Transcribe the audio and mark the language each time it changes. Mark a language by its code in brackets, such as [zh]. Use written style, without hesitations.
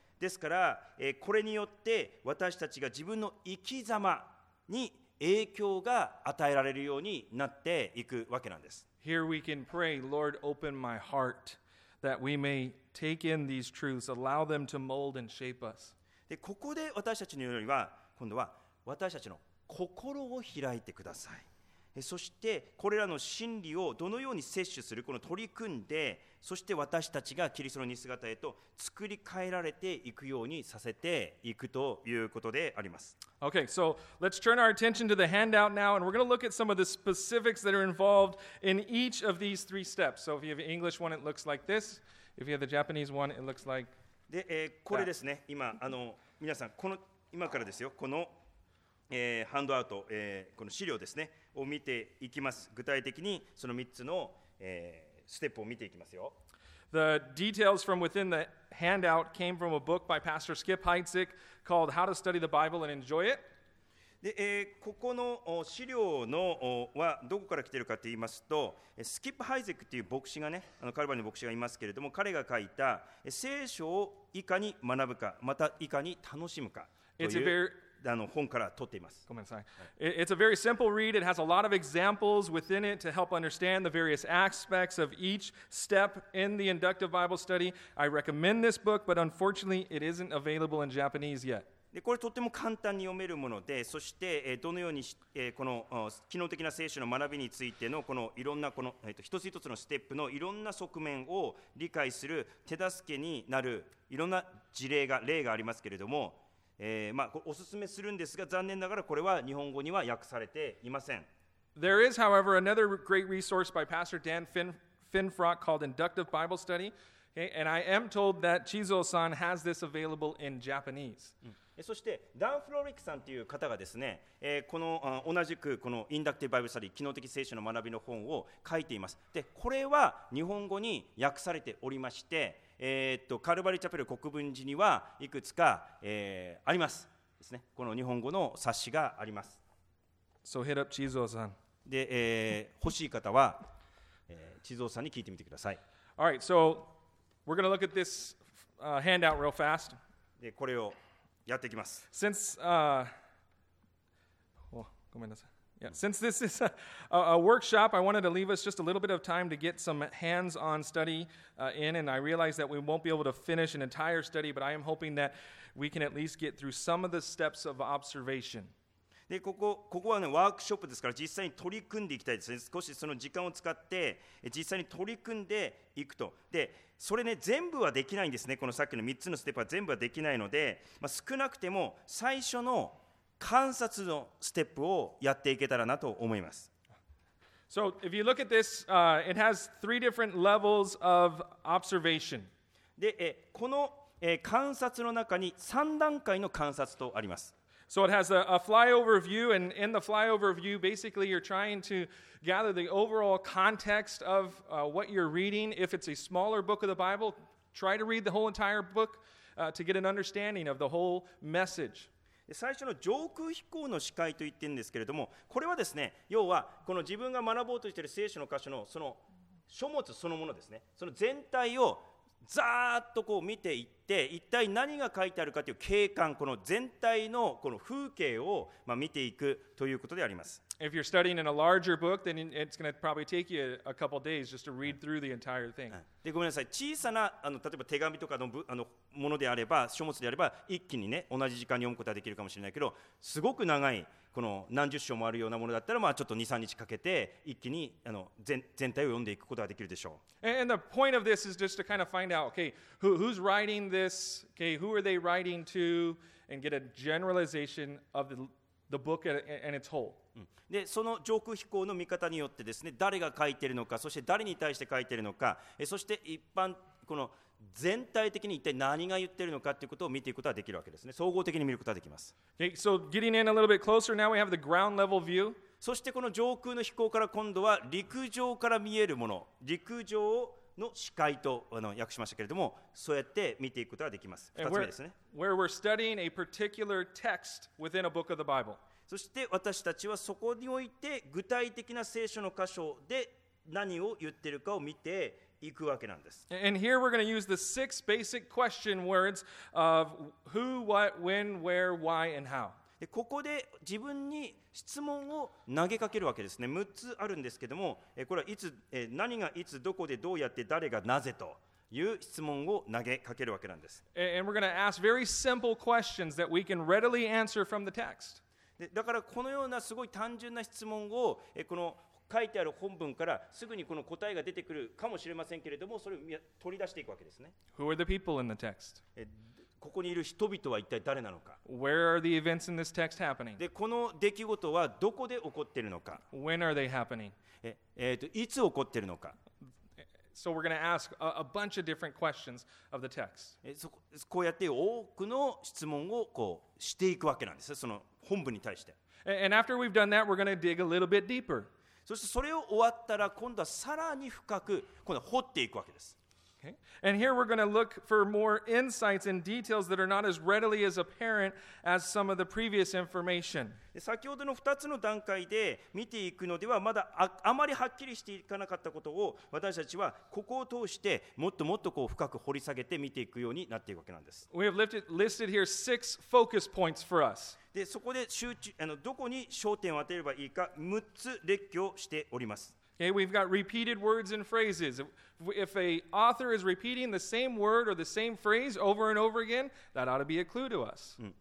[ja] ですから、これによって私たちが自分の生き様に影響が与えられるようになっていくわけなんです。 [en] Here we can pray, Lord, open my heart that we may take in these truths, allow them to mold and shape us. [ja] で、ここで私たちのよりは、今度は私たちの心を開いてください。そしてこれらの真理をどのように摂取する、この取り組んで、そして私たちがキリストの似姿へと作り変えられていくようにさせていくということであります。 [en] Okay, so let's turn our attention to the handout now, and we're going to look at some of the specifics that are involved in each of these three steps. So if you have an English one, it looks like this. If you have the Japanese one, it looks like that. [ja] で、これですね、今、皆さん、この、今からですよ、この、ハンドアウト、この資料ですね、を見ていきます。具体的にその3つの、ステップを見ていきますよ。 [en] The details from within the handout came from a book by Pastor Skip Heitzig called How to Study the Bible and Enjoy It. [ja] で、ここの資料のはどこから来ているかといいますと、スキップ・ハイゼックという牧師がね、カルバリーの牧師がいますけれども、彼が書いた聖書をいかに学ぶか、またいかに楽しむかという本から取っています。ごめんなさい。 [en] It's a very simple read. It has a lot of examples within it to help understand the various aspects of each step in the inductive Bible study. I recommend this book, but unfortunately, it isn't available in Japanese yet. [ja] で、これとっても簡単に読めるもので、そしてどのようにこの機能的な聖書の学びについてのこのいろんなこの一つ一つのステップのいろんな側面を理解する手助けになるいろんな事例が例がありますけれども。おすすめするんですが、残念ながらこれは日本語には訳されていません。 [en] There is, however, another great resource by Pastor Dan Finfrock called Inductive Bible Study. Okay, and I am told that Chizo-san has this available in Japanese.、 [ja] うん、そして、ダン・フロリックさんという方がですね、この同じくこのインダクティブ・バイブル・スタディ、機能的聖書の学びの本を書いています。で、これは日本語に訳されておりまして、カルバリーチャペル国分寺にはいくつか、ありますですね。この日本語の冊子があります。 [en] So hit up Chizo-san. [ja] で、欲しい方は、Chizo-san に聞いてみてください。 [en] All right, so we're going to look at this、handout real fast. [ja] で、これをやっていきます。 [en] Since、 [ja] ごめんなさい。 [en] Yeah, since this is a workshop, I wanted to leave us just a little bit of time to get some hands-on study、in, and I realize that we won't be able to finish an entire study, but I am hoping that we can at least get through some of the steps of observation. [ja] で、ここはね、ワークショップですから、実際に取り組んでいきたいですね。少しその時間を使って、実際に取り組んでいくと。で、それね、全部はできないんですね。このさっきの3つのステップは全部はできないので、まあ、少なくても最初の観察のステップをやっていけたらなと思います。 [en] So, if you look at this, it has three different levels of observation. [ja] で、この観察の中に3段階の観察とあります。 [en] So, it has a flyover view, and in the flyover view, basically, you're trying to gather the overall context of what you're reading. If it's a smaller book of the Bible, try to read the whole entire book to get an understanding of the whole message. [ja] 最初の上空飛行の視界と言ってるんですけれども、これはですね、要はこの自分が学ぼうとしている聖書の箇所のその書物そのものですね、その全体をざーっとこう見ていって、一体何が書いてあるかという景観、この全体のこの風景をまあ見ていくということであります。 [en] If you're studying in a larger book, then it's going to probably take you a couple days just to read through the entire thing. [ja] で、ごめんなさい。小さな、例えば手紙とかの、ものであれば、書物であれば、一気にね、同じ時間に読むことができるかもしれないけど、すごく長い、この何十章もあるようなものだったら、まあ、ちょっと2、3日かけて、一気に、全体を読んでいくことができるでしょう。 [en] And the point of this is just to kind of find out, okay, who's writing this? Okay, who are they writing to? And get a generalization of the book and its whole. [ja] でその上空飛行の見方によってですね、誰が書いているのか、そして誰に対して書いているのか、そして一般この全体的に一体何が言っているのかということを見ていくことができるわけですね。総合的に見ることができます。 [en] Okay, so getting in a little bit closer, now we have the ground level view. [ja] そしてこの上空の飛行から今度は陸上から見えるもの、陸上の視界と訳しましたけれども、そうやって見ていくことができます。二つ目ですね。 [en] Where we're studying a particular text within a book of the Bible. [ja] そして私たちはそこにおいて具体的な聖書の箇所で何を言っているかを見ていくわけなんです。 [en] And here we're going to use the six basic question words of who, what, when, where, why, and how. [ja] でここで自分に質問を投げかけるわけですね。 6つあるんですけども、これはいつ、何がいつ、どこで、どうやって、誰が、なぜと。いう質問を投げかけるわけなんです。 [en] And we're going to ask very simple questions that we can readily answer from the text. [ja] だからこのようなすごい単純な質問をこの書いてある本文からすぐにこの答えが出てくるかもしれませんけれども、それを取り出していくわけですね。 [en] Who are the people in the text? [ja] ここにいる人々は一体誰なのか。 [en] Where are the events in this text happening? [ja] でこの出来事はどこで起こっているのか。 [en] When are they happening? [ja] いつ起こっているのか。 [en] So we're going to ask a bunch of different questions of the text. [ja] こうやって多くの質問をこうしていくわけなんです。その本文に対して。 [en] And after we've done that, we're going to dig a little bit deeper. [ja] そしてそれを終わったら、今度はさらに深く、今度は掘っていくわけです。 [en] And here we're going to look for more insights and details that are not as readily as apparent as some of the previous information. [ja] 先ほどの2つの段階で見ていくのではまだ あまりはっきりしていかなかったことを、私たちはここを通してもっともっとこう深く掘り下げて見ていくようになっていくわけなんです。 [en] We have listed here six focus points for us. [ja] でそこで集中、どこに焦点を当てればいいか6つ列挙しております。 [en] Okay, we've got repeated words and phrases. If an author is repeating the same word or the same phrase over and over again, that ought to be a clue to us.